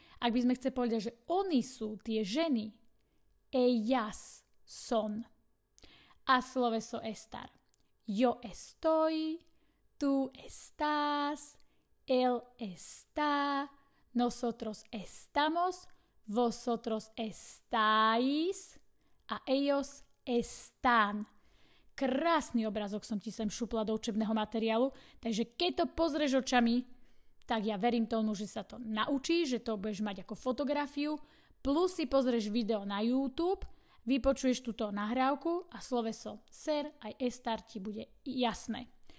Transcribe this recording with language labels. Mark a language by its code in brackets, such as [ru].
[sk] Ak by sme chceli povedať, že oni sú tie ženy, [es] ellas son. [sk] A sloveso estar. [es] Yo estoy, tú estás, él está, nosotros estamos, vosotros estáis a ellos están. [sk] Krásny obrazok som ti sem šupla do učebného materiálu, takže keď to pozrieš očami, tak ja verím tomu, že sa to naučíš, že to budeš mať ako fotografiu, plus si pozrieš video na YouTube, vypočuješ túto nahrávku a sloveso ser aj estar ti bude jasné.